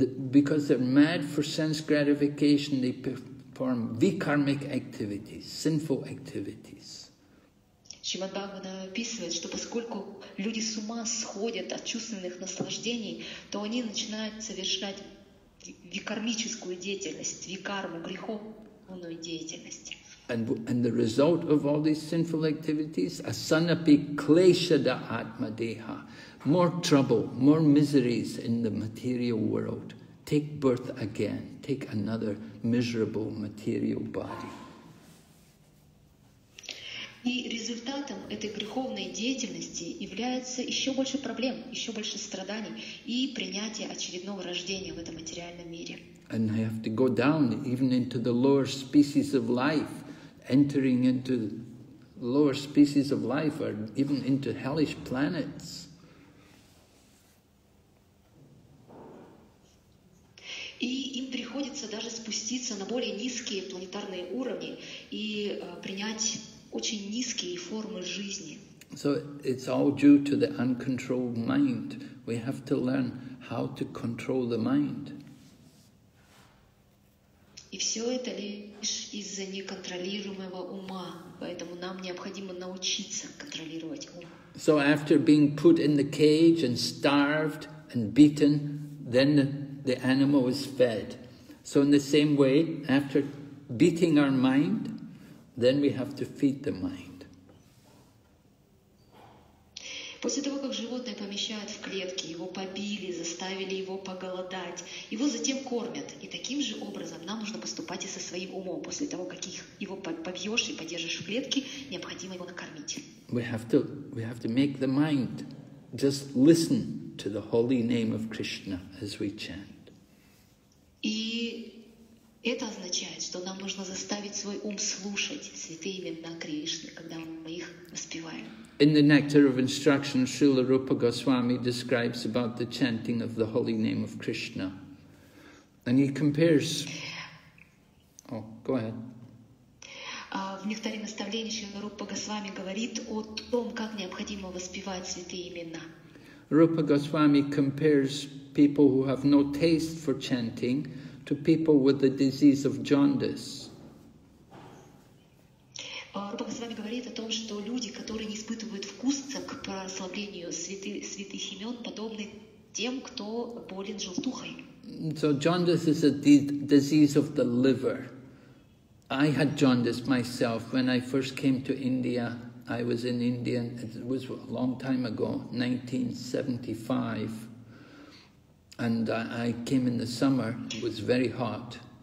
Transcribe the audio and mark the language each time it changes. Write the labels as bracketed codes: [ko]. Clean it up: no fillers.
[en] Because they're mad for sense gratification, they perform vikarmic activities, sinful activities. [ru] Srimad Bhagavatam описывает, что поскольку люди с ума сходят от чувственных наслаждений, то они начинают совершать викармическую деятельность, викарму, греховную деятельность. [en] And the result of all these sinful activities, [sa] asanapi kleshada atmadeha, [en] more trouble, more miseries in the material world. Take birth again, take another miserable material body. [ru] И результатом этой греховной деятельности является еще больше проблем, еще больше страданий и принятие очередного рождения в этом материальном мире. [en] And I have to go down even into the lower species of life. Entering into lower species of life, or even into hellish planets. [ru] И им приходится даже спуститься на более низкие планетарные уровни и принять очень низкие формы жизни. [en] So it's all due to the uncontrolled mind. We have to learn how to control the mind. [ru] И все это лишь из-за неконтролируемого ума, поэтому нам необходимо научиться контролировать ум. [en] So after being put in the cage and starved and beaten, then the animal is fed. So in the same way, after beating our mind, then we have to feed the mind. [ru] После того, как животное помещают в клетки, его побили, заставили его поголодать, его затем кормят. И таким же образом нам нужно поступать и со своим умом. После того, как его побьешь и подержишь в клетке, необходимо его накормить. [en] We have to make the mind just listen to the holy name of Krishna as we chant. [ru] И это означает, что нам нужно заставить свой ум слушать святые имена Кришны, когда мы их воспеваем. [en] In the Nectar of Instruction, Srila Rupa Goswami describes about the chanting of the holy name of Krishna. And he compares... Oh, go ahead. [ru] В Нектаре наставления Srila Rupa Goswami говорит о том, как необходимо воспевать святые имена. [en] Rupa Goswami compares people who have no taste for chanting to people with the disease of jaundice. [ru] Рупа с вами говорит о том, что люди, которые не испытывают вкуса к прославлению святых имен, подобны тем, кто болен желтухой. [en] So jaundice is a disease of the liver. I had jaundice myself when I first came to India. I was in India, it was a long time ago, 1975. And I came in the summer, it was very hot.